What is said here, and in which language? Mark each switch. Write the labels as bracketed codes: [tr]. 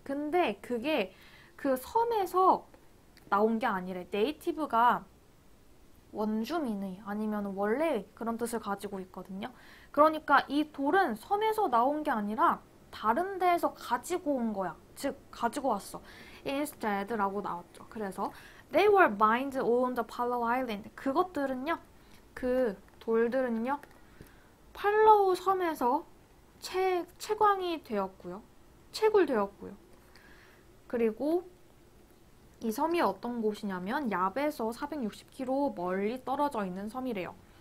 [ko] 근데 그게 그 섬에서 나온 게 아니래. native가 원주민의 아니면 원래 그런 뜻을 가지고 있거든요. 그러니까 이 돌은 섬에서 나온 게 아니라 다른 데에서 가지고 온 거야. 즉 가지고 왔어. Instead 라고 나왔죠. 그래서 [en] They were mined on the Palau Island. [ko] 그것들은요, 그 돌들은요 팔라우 섬에서 채광이 되었고요. 채굴되었고요. 그리고 이 섬이 어떤 곳이냐면 얍에서 460km 멀리 떨어져 있는 섬이래요.